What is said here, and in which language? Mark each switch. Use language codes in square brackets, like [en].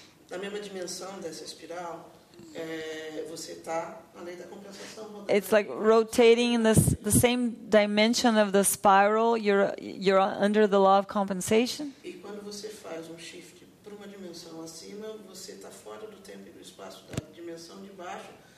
[pt] Na mesma dimensão dessa espiral, você tá na lei da compensação. Rodando. [en] It's like rotating in the same dimension of the spiral. You're under the law of compensation. [pt] E quando você faz shift para uma dimensão acima, você tá fora do tempo e do espaço da dimensão de baixo.